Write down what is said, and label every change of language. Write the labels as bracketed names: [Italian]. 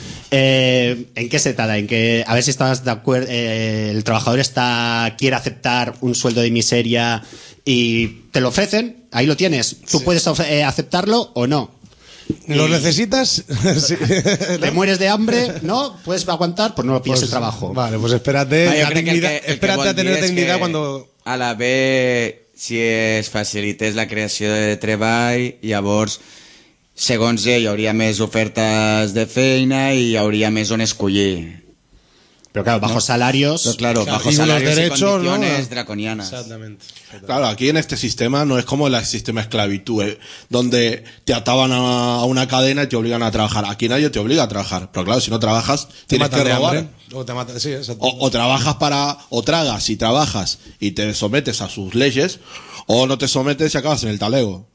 [Spanish] ¿En qué se trata? A ver si estás de acuerdo. El trabajador quiere aceptar un sueldo de miseria y te lo ofrecen, ahí lo tienes. Tú puedes aceptarlo o no. ¿Lo necesitas? Sí. ¿Te mueres de hambre? ¿No? ¿Puedes aguantar? Pues no lo pides el trabajo. Vale, pues espérate. Espérate a tener dignidad cuando. [Catalan] A la B, si es facilites la creació de treball, llavors, segons ell, hi hauria més ofertes de feina i hi hauria més on escollir. Però clar, [Spanish] bajos [Catalan] salaris... [Spanish] Pues claro, bajos salaris i condiciones, ¿no? [Catalan] Draconianes. Exactament. [Spanish] Claro, aquí en este sistema no es como el sistema esclavitud, donde te ataban a una cadena y te obligan a trabajar. Aquí nadie te obliga a trabajar, pero claro, si no trabajas, tienes que robar. O trabajas para, o tragas y trabajas y te sometes a sus leyes, o no te sometes y acabas en el talego.